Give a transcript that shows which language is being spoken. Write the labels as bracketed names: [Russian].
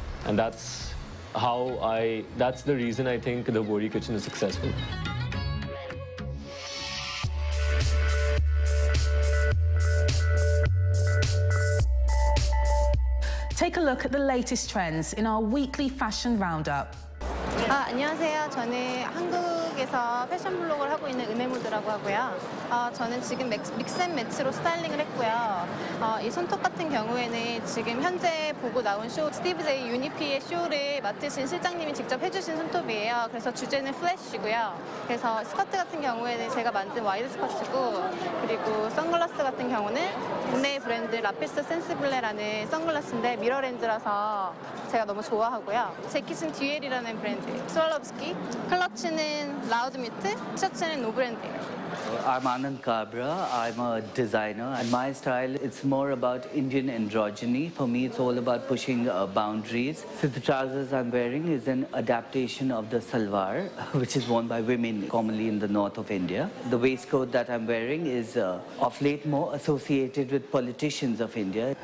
[English] And that's the reason I think the Bohri Kitchen is successful. Take a look at the latest trends in our weekly fashion roundup. [Korean] 아, 안녕하세요. 저는 한국에서 패션 블로그를 하고 있는 은혜무드라고 하고요. 저는 지금 믹스앤매치로 스타일링을 했고요. 이 손톱 같은 경우에는 지금 현재 보고 나온 쇼 스티브 제이 유니피의 쇼를 맡으신 실장님이 직접 해주신 손톱이에요. 그래서 주제는 플래시고요. 그래서 스커트 같은 경우에는 제가 만든 와이드 스커트고 그리고 선글라스 같은 경우는 국내 브랜드 라피스 센스블레라는 선글라스인데 미러렌즈라서 제가 너무 좋아하고요. 재킷은 듀엘이라는 브랜드 스왈롭스키, 클러치는 라우드뮤트, 티셔츠는 노브랜드예요. [English] I'm Anand Qbara. I'm a designer, and my style, it's more about Indian androgyny. For me, it's all about pushing boundaries. So the trousers I'm wearing is an adaptation of the salwar, which is worn by women commonly in the north of India. The waistcoat that I'm wearing is of late more associated with politicians of India.